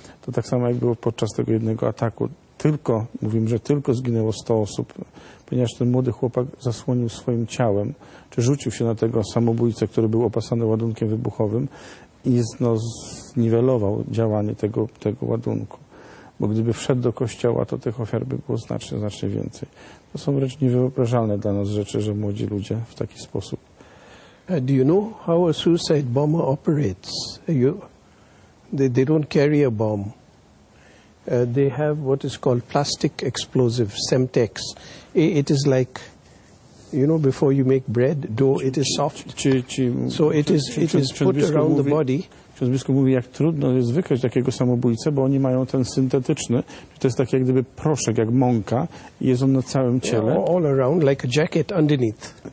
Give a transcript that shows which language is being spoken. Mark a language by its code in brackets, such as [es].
[pl] To tak samo jak było podczas tego jednego ataku. Tylko, mówimy, że tylko zginęło 100 osób, ponieważ ten młody chłopak zasłonił swoim ciałem, czy rzucił się na tego samobójcę, który był opasany ładunkiem wybuchowym i zniwelował działanie tego ładunku. Bo gdyby wszedł do kościoła, to tych ofiar by było znacznie, znacznie więcej. To są wręcz niewyobrażalne dla nas rzeczy, że młodzi ludzie w taki sposób. [en] Do you know how a suicide bomber operates? They don't carry a bomb. They have what is called plastic explosive, Semtex. It is like, you know, before you make bread, dough, it is soft. So it is put around the body. [pl] Ksiądz biskup mówi, jak trudno jest wykryć takiego samobójcę, bo oni mają ten syntetyczny. To jest tak jak gdyby proszek, jak mąka i jest on na całym ciele. [en] All around, like a jacket underneath.